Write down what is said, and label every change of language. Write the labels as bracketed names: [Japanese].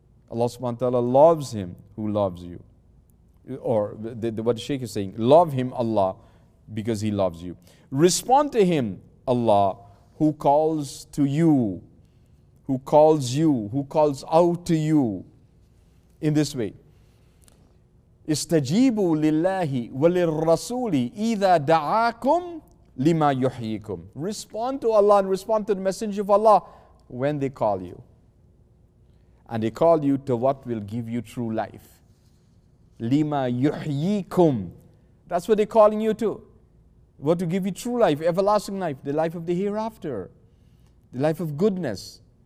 [English] Allah subhanahu wa ta'ala loves him who loves you. Or what the Shaykh is saying, love him, Allah, because he loves you. Respond to him, Allah, who calls to you, who calls you, who calls out to you. In this way, [Arabic] استجيبوا لله وللرسول إذا دعاكم لما يحييكم. [English] Respond to Allah and respond to the Messenger of Allah when they call you. And they call you to what will give you true life. [Arabic] لِمَا يُحْيِيكُمْ. [English] That's what they're calling you to. What to give you true life, everlasting life, the life of the hereafter, the life of goodness.